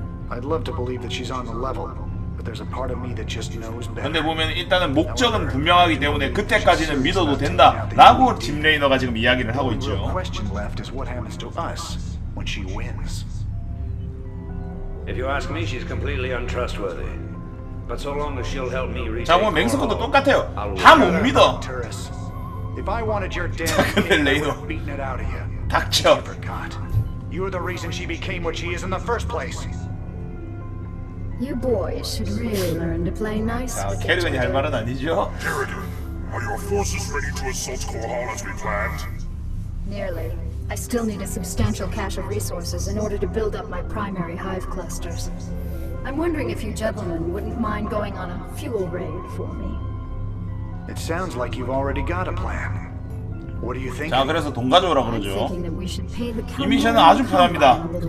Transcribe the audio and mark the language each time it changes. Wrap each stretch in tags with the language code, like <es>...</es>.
<en>I'd love to believe that she's on the level, but there's a part of me that just knows better.</en> <ko>근데 보면 일단은 목적은 분명하기 때문에 그때까지는 믿어도 된다라고 팀 레이너가 지금 이야기를 하고 있죠.</ko> <en>The question left is what happens to us when she wins. If you ask me, she's completely untrustworthy. But so long as she'll help me reach.</en> <ko>자, 뭐 맹스코도 똑같아요. 다 못 믿어.</ko> <en>If I wanted your damn kid, I would have beaten it out of you.</en> <ko>닥쳐.</ko> <en>You forgot. You're the reason she became what she is in the first place. You boys should really learn to play nice.</en> <ko>아, 캐리건이 할 말은 아니죠.</ko> <en>Kerrigan, are your forces ready to assault Korhal as we planned? Nearly. I still need a substantial cache of resources in order to build up my primary hive clusters. I'm wondering if you gentlemen wouldn't mind going on a fuel raid for me. It sounds like you've already got a plan. What do you think?</en> <ko>자, 그래서 돈 가져오라 그러죠. 이 미션은 아주 편합니다.</ko>